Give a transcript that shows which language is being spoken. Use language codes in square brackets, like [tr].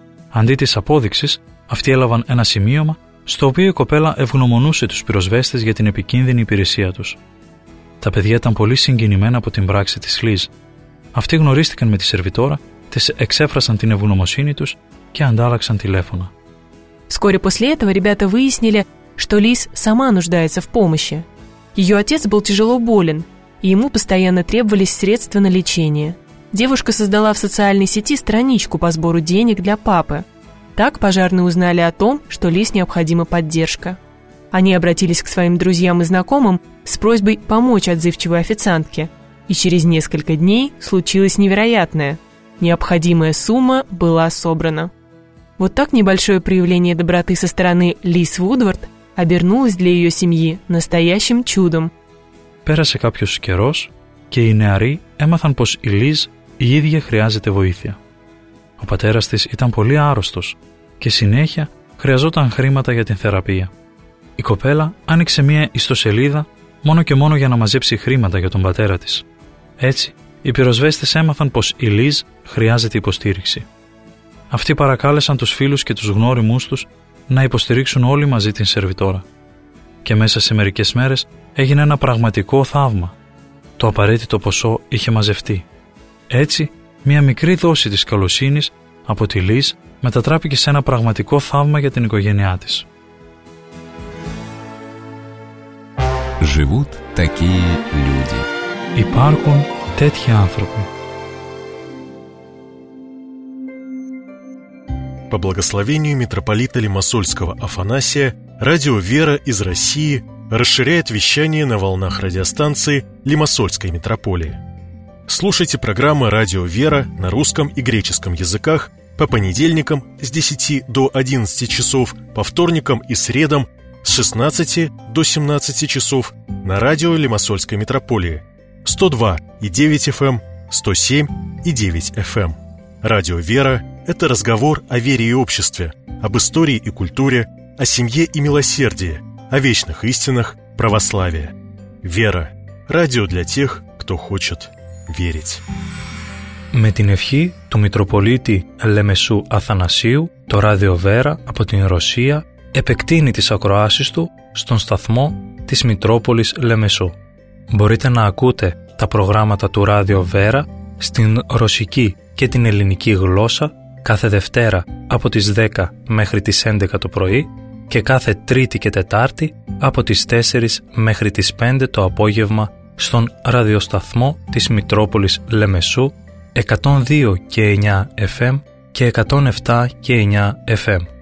[el] Αντί της απόδειξης, αυτοί έλαβαν ένα σημείωμα στο οποίο η κοπέλα ευγνωμονούσε τους πυροσβέστες για την επικίνδυνη υπηρεσία τους. Τα παιδιά ήταν πολύ συγκινημένα από την πράξη της Λιζ. Αυτοί γνωρίστηκαν με τη σερβιτόρα, της εξέφρασαν την ευγνωμοσύνη τους και αντάλλαξαν τηλέφωνα. [ru] Вскоре после этого ребята выяснили, что Лиз сама нуждается в помощи. Ее отец был тяжело болен, и ему постоянно требовались средства на лечение. Девушка создала в социальной сети страничку по сбору денег для папы. Так пожарные узнали о том, что Лиз необходима поддержка. Они обратились к своим друзьям и знакомым с просьбой помочь отзывчивой официантке. И через несколько дней случилось невероятное. Необходимая сумма была собрана. Вот так небольшое проявление доброты со стороны Лиз Вудвард обернулось для ее семьи настоящим чудом. [el] Пэрасе капьёс кэрос, кэ и неари эмаθαν пос и Лиз η ίδια χρειάζεται βοήθεια. Ο πατέρας της ήταν πολύ άρρωστος και συνέχεια χρειαζόταν χρήματα για την θεραπεία. Η κοπέλα άνοιξε μία ιστοσελίδα μόνο και μόνο για να μαζέψει χρήματα για τον πατέρα της. Έτσι, οι πυροσβέστες έμαθαν πως η Λιζ χρειάζεται υποστήριξη. Αυτοί παρακάλεσαν τους φίλους και τους γνώριμούς τους να υποστηρίξουν όλοι μαζί την σερβιτόρα. Και μέσα σε μερικές μέρες έγινε ένα πραγματικό θαύμα. Το απαραίτητο ποσό είχε μαζευτεί. Έτσι, μια μικρή δόση της καλοσύνης από τη Λιζ μετατράπηκε σε ένα πραγματικό θαύμα για την οικογένειά της. [ru] Живут такие люди. [el] Υπάρχουν τέτοιοι άνθρωποι. [ru] По благословению митрополита Лимассольского Афанасия, радио «Вера» из России расширяет вещание на волнах радиостанции Лимассольской митрополии. Слушайте программы «Радио Вера» на русском и греческом языках по понедельникам с 10 до 11 часов, по вторникам и средам с 16 до 17 часов на радио Лимассольской метрополии 102.9 FM, 107.9 FM. Радио «Вера» – это разговор о вере и обществе, об истории и культуре, о семье и милосердии, о вечных истинах православия. «Вера» – радио для тех, кто хочет верить. [el] Με την ευχή του Μητροπολίτη Λεμεσού Αθανασίου, το Ράδιο Βέρα από την Ρωσία επεκτείνει τις ακροάσεις του στον σταθμό της Μητρόπολης Λεμεσού. Μπορείτε να ακούτε τα προγράμματα του Ράδιο Βέρα στην ρωσική και την ελληνική γλώσσα κάθε Δευτέρα από τις 10 μέχρι τις 11 το πρωί και κάθε Τρίτη και Τετάρτη από τις 4 μέχρι τις 5 το απόγευμα στον ραδιοσταθμό της Μητρόπολης Λεμεσού 102 και 9 FM και 107 και 9 FM.